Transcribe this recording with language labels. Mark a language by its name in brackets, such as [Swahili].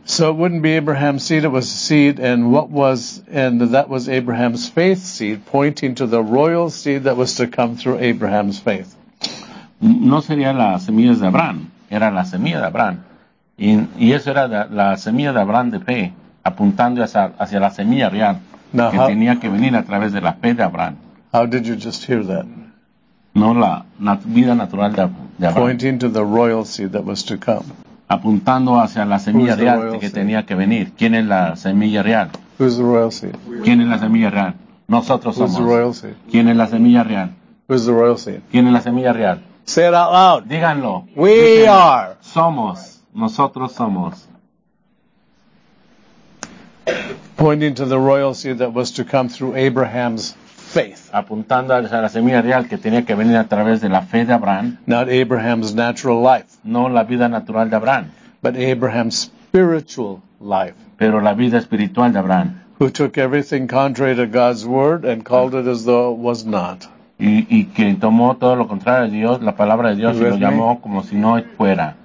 [English] So it wouldn't be Abraham's seed, it was a seed, and what was, and that was Abraham's faith seed, pointing to the royal seed that was to come through Abraham's faith. [Spanish] No sería la semilla de Abraham, era la semilla de Abraham. Y eso era la semilla de Abraham de fe, apuntando hacia la semilla real, [English] Now, [Spanish] que [English] how, [Spanish] tenía que venir a través de la fe de Abraham. [English] How did you just hear that? [Spanish] No, la vida natural de Abraham. [English] Pointing to the royal seed that was to come. [Spanish] Apuntando hacia la semilla real que tenía que venir. ¿Quién es la semilla real? [English] Who's the royal seed? [Spanish] ¿Quién es la semilla real? Nosotros somos. [English] Who's the royal seed? [Spanish] ¿Quién es la semilla real? [English] Who's the royal seed? [Spanish] ¿Quién es la semilla real? [English] Say it out loud. [Spanish] Díganlo. [English] We are. [Spanish] Somos. nosotros somos. [English] Pointing to the royal seed that was to come through Abraham's faith. [Spanish] Apuntando a la semilla real que tenía que venir a través de la fe de Abraham. [English] Not Abraham's natural life. [Spanish] No la vida natural de Abraham. [English] But Abraham's spiritual life. [Spanish] Pero la vida espiritual de Abraham. [English] Who took everything contrary to God's word and called it as though it was not. [Spanish] Y que tomó todo lo contrario de Dios, la palabra de Dios, y lo llamó como si no fuera.